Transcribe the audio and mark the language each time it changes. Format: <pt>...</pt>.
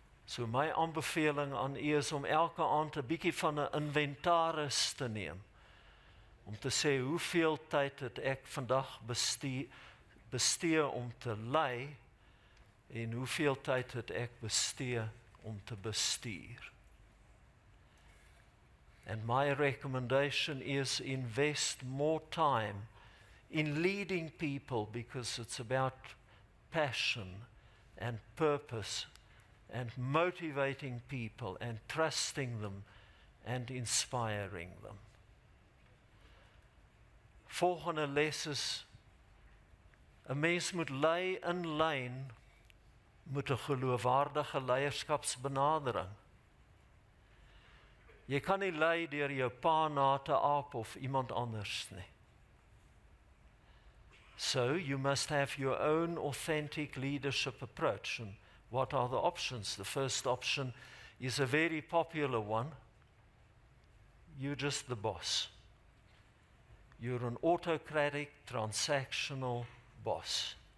<af>So my aanbeveling aan u is om elke aand 'n bietjie van 'n inventaris te neem, om te sê hoeveel tyd het ek vandag bestee om te lei, en hoeveel tyd het ek bestee om te bestuur.</af> <en>And my recommendation is invest more time in leading people, because it's about passion and purpose and motivating people and trusting them and inspiring them.</en> <af>Volgende les is: een mens moet lei in lijn met een geloofwaardige leierskapsbenadering. Jy kan nie lei deur jou pa na te aap of iemand anders nie.</af> <en>So you must have your own authentic leadership approach. And what are the options? The first option is a very popular one. You're just the boss. You're an autocratic, transactional boss.</en>